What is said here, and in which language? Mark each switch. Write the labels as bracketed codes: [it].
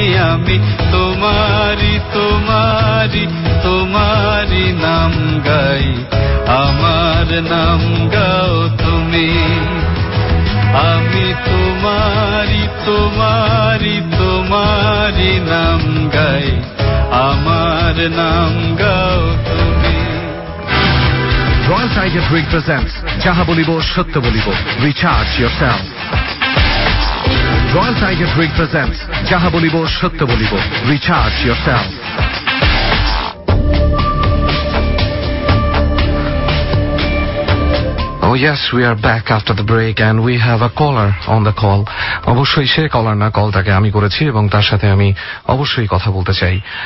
[bn] আমি তোমারি তোমারি তোমারি নাম গাই, আমার নাম গাও তুমি, আমি তোমারি তোমারি তোমারি নাম গাই, আমার নাম গাও তুমি। [en] Royal Tiger Twig presents [bn] যাহা বলিব সত্য বলিব, [en] recharge yourself. Royal Tiger Twig presents [bn] যাহা বলিব সত্য বলিব, [en] recharge yourself. Oh yes, we are back after the break and we have a caller on the call. [bn] অবশ্যই সে কলার না, কলটাকে আমি করেছি এবং তার সাথে আমি অবশ্যই কথা বলতে চাই।